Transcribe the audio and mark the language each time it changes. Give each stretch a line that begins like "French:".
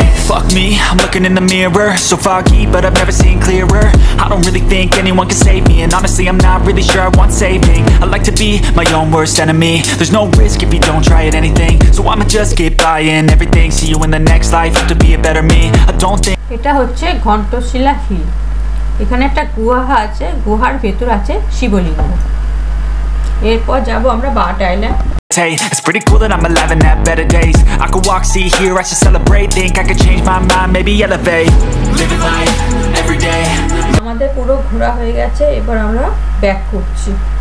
English: Fuck me, I'm looking in the mirror. So foggy, but I've never seen clearer. I don't really think anyone can save me. And honestly, I'm not really sure I want saving. I like to be my own worst enemy. There's no risk if you don't try at anything. So I'ma just keep buying everything. See you in the next life, have to be a better me. I don't think...
Bangla: এটা হচ্ছে ঘণ্টশিলা hill. এখানে একটা গুহা আছে, গুহার ভেতর আছে শিবলিঙ্গ। এরপর যাব আমরা বাটাইল্যান্ড।
English: Hey, it's pretty cool that I'm alive and have better days. I could walk, see, hear, I should celebrate. Think I could change my mind, maybe elevate. Living life, every day.
Bangla: আমাদের পুরো ঘোরা হয়ে গেছে, এবার আমরা back করছি।